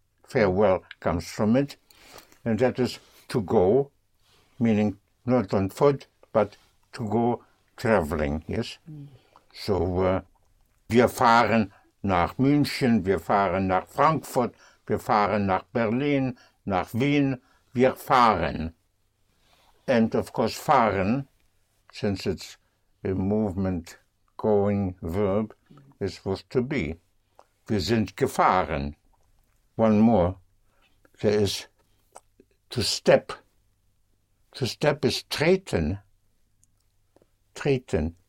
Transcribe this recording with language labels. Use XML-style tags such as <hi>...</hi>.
<en>Farewell comes from it, and that is to go, meaning not on foot, but to go traveling, yes?</en> <de>So, wir fahren nach München, wir fahren nach Frankfurt, wir fahren nach Berlin, nach Wien, wir fahren.</de> <en>And of course, fahren, since it's a movement going verb, is was to be.</en> <de>Wir sind gefahren.</de> <en>One more. There is to step. To step is treten. Treten.</en>